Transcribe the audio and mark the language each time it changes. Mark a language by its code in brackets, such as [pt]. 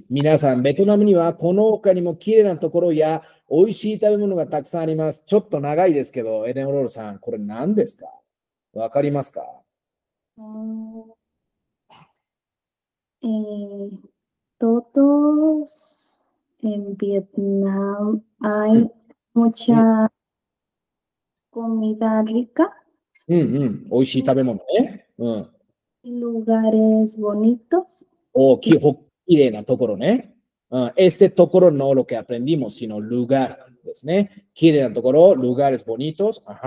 [ja] 皆さん、ベトナムにはこの他にも綺麗なところや美味しい食べ物がたくさんあります。ちょっと長いですけど、エレオロールさん、これ何ですか？わかりますか？ [es] Todos en Vietnam hay mucha comida rica, [ja] 美味しい食べ物ね。 [es] lugares bonitos. [ja] きほ綺麗なところね。 [es] Este ところ no lo que aprendimos, sino lugar [ja] ですね。綺麗なところ、 [es] lugares bonitos。